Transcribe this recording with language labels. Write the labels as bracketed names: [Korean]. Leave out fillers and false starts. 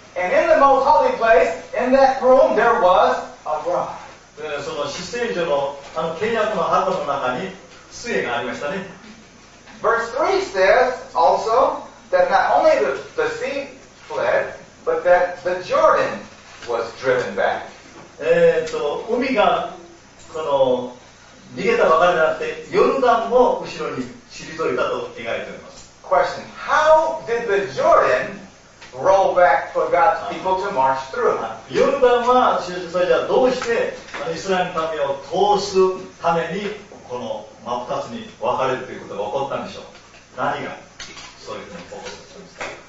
[English] And in the most holy place, in that room, there was a rod. [Japanese] その施政所の契約の箱の中に杖がありましたね。 [English] Verse 3 says also that not only the sea fled, but that the Jordan was driven back. [Japanese] 海がこの逃げたばかりであって、ヨルダンも後ろに退いたと描いております。 [English] Question: How did the Jordan roll back for God's people to march through? [Japanese] ヨルダンはそれじゃあどうしてイスラエルの民を通すためにこの真っ二つに分かれるということが起こったんでしょう。何がそういうふうに起こったんですか。